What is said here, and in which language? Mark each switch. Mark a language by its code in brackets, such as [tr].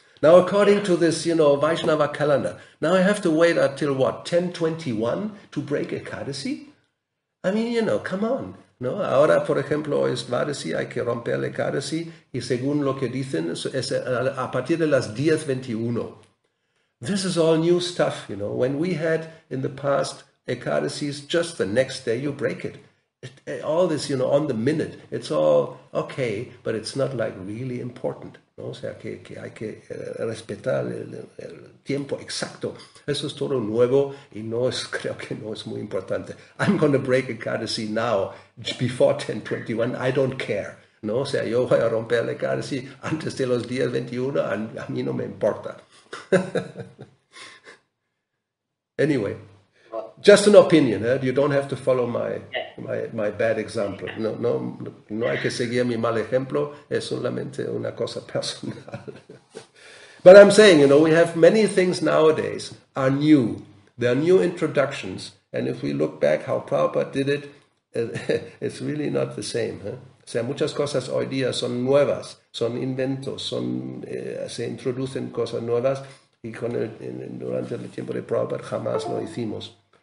[en] Now, according to this, you know, Vaishnava calendar, now I have to wait until what, 10:21 to break Ekadasi? I mean, you know, come on. [es] No, ahora, por ejemplo, es Dvadasi, hay que romper el Ekadasi, y según lo que dicen, es a partir de las 10:21. [en] This is all new stuff, you know. When we had in the past Ekadasi, just the next day you break it. All this, you know, on the minute, it's all okay, but it's not like really important, ¿no? [es] O sea, que hay que respetar el tiempo exacto. Eso es todo nuevo y no es, creo que no es muy importante. [en] I'm going to break Ekadasi now, before 10:21. I don't care, [es] ¿no? O sea, yo voy a romper Ekadasi antes de los 10:21 and a mí no me importa. [en] Anyway, just an opinion, eh? You don't have to follow my bad example. [es] No hay que seguir mi mal ejemplo, es solamente una cosa personal. [en] But I'm saying, you know, we have many things nowadays are new. There are new introductions, and if we look back how Prabhupada did it, It's really not the same. ¿Eh? [es] O sea, muchas cosas hoy día son nuevas, son inventos, son, se introducen cosas nuevas y con el, durante el tiempo de Prabhupada jamás lo hicimos.